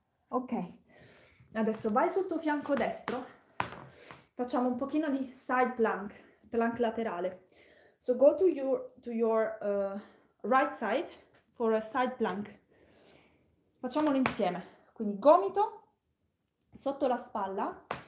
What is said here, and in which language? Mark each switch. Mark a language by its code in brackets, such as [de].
[it] Ok, adesso vai sul tuo fianco destro, facciamo un pochino di side plank, plank laterale. [en] So go to your right side for a side plank. [it] Facciamolo insieme. Quindi gomito sotto la spalla.